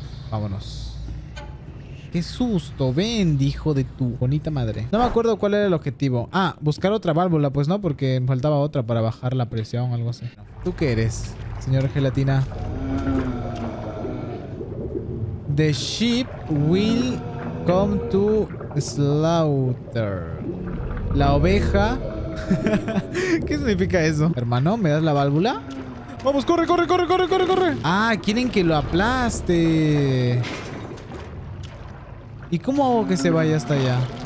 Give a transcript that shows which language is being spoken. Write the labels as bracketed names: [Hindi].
[Spanish] Vámonos. Qué susto, ven, hijo de tu bonita madre. No me acuerdo cuál era el objetivo. Ah, buscar otra válvula, pues no, porque faltaba otra para bajar la presión o algo así. ¿Tú qué eres, señor Gelatina? [English] The sheep will come to slaughter. [Spanish] La oveja. ¿Qué significa eso? Hermano, ¿me das la válvula? ¡Vamos! ¡Corre, corre, corre, corre, corre, corre! ¡Ah! ¡Quieren que lo aplaste! ¿Y cómo hago que se vaya hasta allá?